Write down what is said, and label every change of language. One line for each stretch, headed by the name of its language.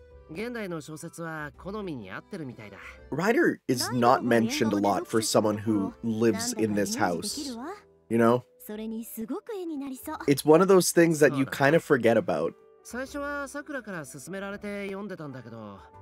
Japanese: 現代の小説は好みに合ってるみたいだ。
English: Ryder is not mentioned a lot for someone who lives in this house. You know?
Japanese: それにすごく絵になりそう。
English: It's one of those things that you kind of forget about.
Japanese: 最初はさくらから勧められて読んでたんだけど。